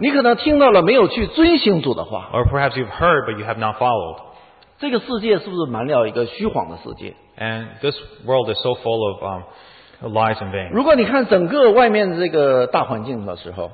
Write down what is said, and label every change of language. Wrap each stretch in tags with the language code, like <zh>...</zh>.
<zh>你可能听到了没有去遵行主的话。</zh> <en>Or perhaps you've heard but you have not followed.</en> <zh>这个世界是不是满了一个虚谎的世界?</zh> <en>And this world is so full of lies and vain.</en> <zh>如果你看整个外面这个大环境的时候,</zh>